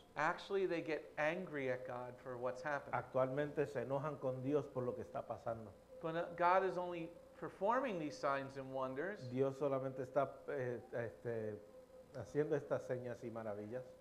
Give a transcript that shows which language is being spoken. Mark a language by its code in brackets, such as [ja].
[en] Actually, they get angry at God for what's happened. [es] Actualmente se enojan con Dios por lo que está pasando. [en] But God is only performing these signs and wonders. [es] Dios solamente está haciendo estas señas y maravillas.